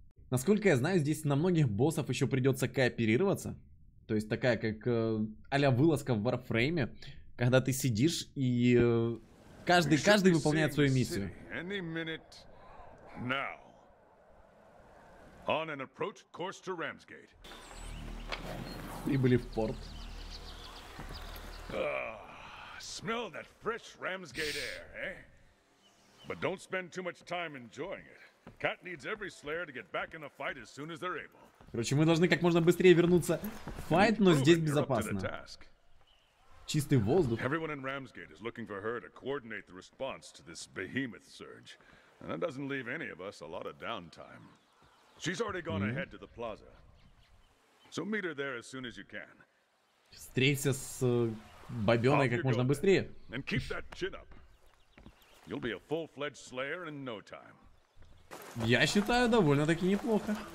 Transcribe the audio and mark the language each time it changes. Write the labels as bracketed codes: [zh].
[ru] Насколько я знаю, здесь на многих боссов еще придется кооперироваться. То есть такая, как а-ля вылазка в Warframe, когда ты сидишь и каждый выполняет свою миссию. [en] Any minute now. On an approach course to Ramsgate. [ru] Прибыли в порт. [en] Smell that fresh Ramsgate air, eh? But don't spend too much time enjoying it. Cat needs every slayer to get back in the fight as soon as they're able. [ru] Короче, мы должны как можно быстрее вернуться в файт, но здесь безопасно. Чистый воздух. [en] Everyone in Ramsgate is looking for her to coordinate the response to this behemoth surge. And that doesn't leave any of us a lot of downtime. She's already gone ahead to the plaza. So meet her there as soon as you can. [ru] Встреться с Бобёной как можно быстрее. [en] And keep that chin up. You'll be a full-fledged slayer in no time. [ru] Я считаю, довольно-таки неплохо.